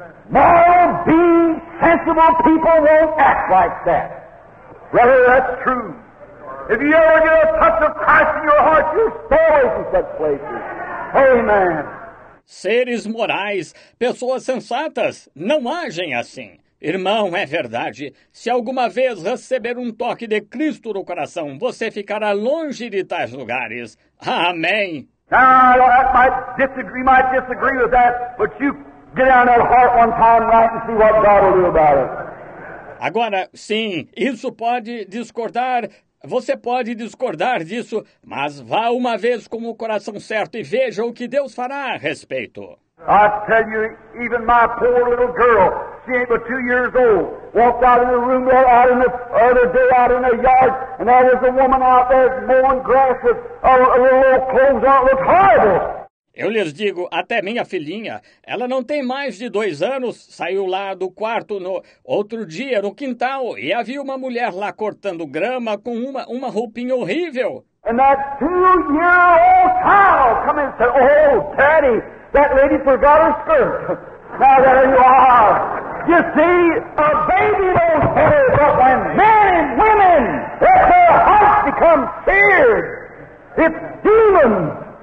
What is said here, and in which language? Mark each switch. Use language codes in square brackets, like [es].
[en] More being sensible people won't act like that. Brother, that's true. If you ever get a touch of Christ in your heart, you stay away from such places. Amen. [pt] Seres morais, pessoas sensatas, não agem assim. Irmão, é verdade. Se alguma vez receber um toque de Cristo no coração, você ficará longe de tais lugares. Amém. [en] Ah, I might disagree with that, but you get on that heart one time right and see what God will do about it. [pt] Agora, sim, isso pode discordar. Você pode discordar disso, mas vá uma vez com o coração certo e veja o que Deus fará a respeito. [en] I tell you, even my poor little girl, she ain't but 2 years old, walked out of the room there out in the other day out in the yard, and there was a woman out there mowing grass with a little old clothes on, looked horrible. [pt] Eu lhes digo, até minha filhinha, ela não tem mais de 2 anos, saiu lá do quarto no outro dia, no quintal, e havia uma mulher lá cortando grama com uma roupinha horrível. [en] And that 2-year-old child come and said, oh, daddy, that lady forgot her skirt. Now there you are. You see, a baby don't care, but when men and women, if their hearts become seared, it's demons.